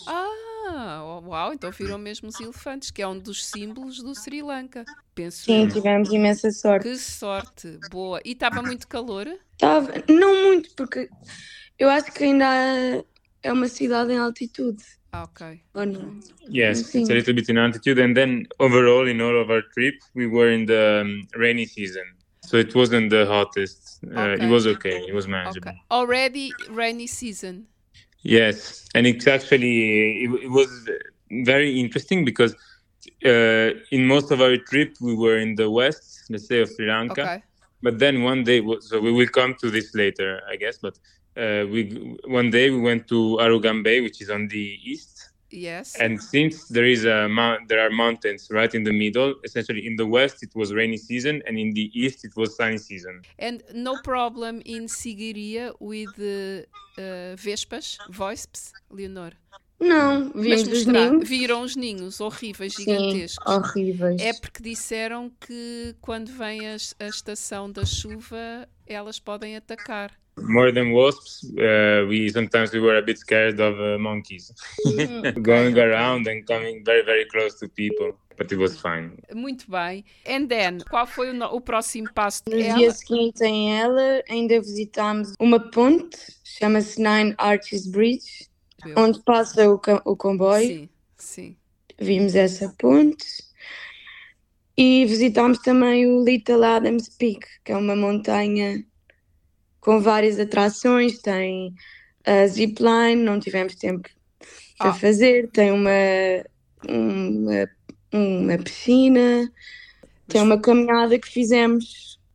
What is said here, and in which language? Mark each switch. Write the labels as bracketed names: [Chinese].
[Portuguese] Ah, uau, então viram mesmo os elefantes, que é um dos símbolos do Sri Lanka. Penso. Sim, tivemos imensa sorte. Que sorte, boa. E estava muito calor? Estava, não muito, porque eu acho que ainda é uma cidade em altitude. Okay. [English] Yes, it's a little bit in altitude, and then overall in all of our trip we were in the rainy season, so it wasn't the hottest. It was okay, it was manageable. Okay. Already rainy season. Yes, and it's actually it was very interesting because in most of our trip we were in the west, let's say, of Sri Lanka. Okay. But then one day, so we will come to this later, I guess, but one day we went to Arugan Bay, which is on the east. Yes. And since there is there are mountains right in the middle, essentially in the west it was rainy season and in the east it was sunny season. And no problem in Siguiria with vespas, wasps, Leonor? [Portuguese] Não, vimos os ninhos. Viram os ninhos horríveis, sim, gigantescos. Horríveis. É porque disseram que quando vem a estação da chuva elas podem atacar. [English] More than wasps, we were a bit scared of monkeys. Going around and coming very, very close to people, but it was fine. [Portuguese] Muito bem. [English] And then, [Portuguese] qual foi o próximo passo dela? No dia seguinte em ela, ainda visitámos uma ponte, chama-se Nine Arches Bridge, onde passa o comboio. Sim. Vimos essa ponte. E visitámos também o Little Adam's Peak, que é uma montanha com várias atrações, tem a zipline, não tivemos tempo para fazer, tem uma piscina, tem uma caminhada que fizemos.